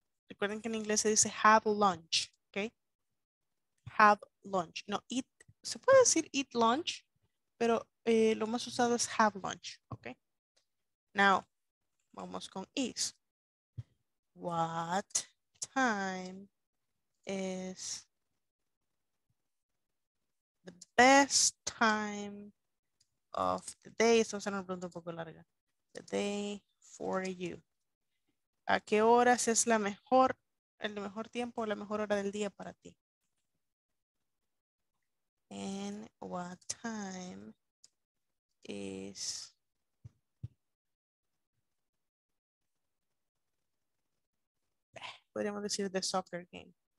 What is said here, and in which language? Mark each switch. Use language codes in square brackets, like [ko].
[es] Recuerden que en inglés se dice have lunch, okay? Have lunch. No, eat. Se puede decir eat lunch, pero lo más usado es have lunch, okay? Now, vamos con is. [en] What time is the best time of the day? [es] Esto se nos pregunta un poco larga. [en] The day for you. [es] ¿A qué horas es la mejor, el mejor tiempo o la mejor hora del día para ti? [en] And what time is [es] podríamos decir [en] the soccer game.